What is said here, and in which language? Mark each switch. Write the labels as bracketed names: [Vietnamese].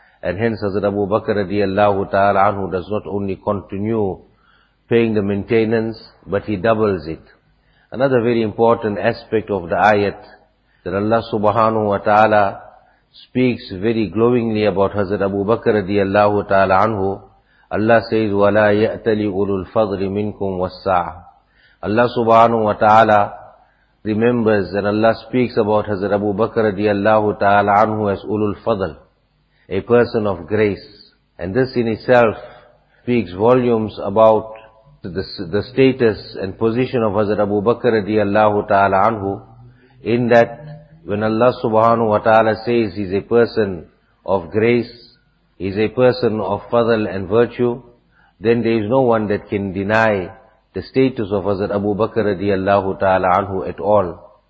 [English] And hence Hazrat Abu Bakr radiallahu ta'ala anhu does not only continue paying the maintenance, but he doubles it. Another very important aspect of the ayat that Allah subhanahu wa ta'ala speaks very glowingly about Hazrat Abu Bakr radiallahu ta'ala anhu. [Arabic] Allah says, وَلَا يَأْتَلِ أُولُو الْفَضْلِ مِنْكُمْ وَالسَّعَةِ. [English] Allah subhanahu wa ta'ala remembers and Allah speaks about Hazrat Abu Bakr radiallahu ta'ala anhu as Ulul Fadl, a person of grace. And this in itself speaks volumes about the status and position of Hazrat Abu Bakr radiallahu ta'ala anhu, in that when Allah subhanahu wa ta'ala says he's a person of grace, he's a person of fadl and virtue, then there is no one that can deny the status of Hazrat Abu Bakr radiallahu ta'ala anhu at all.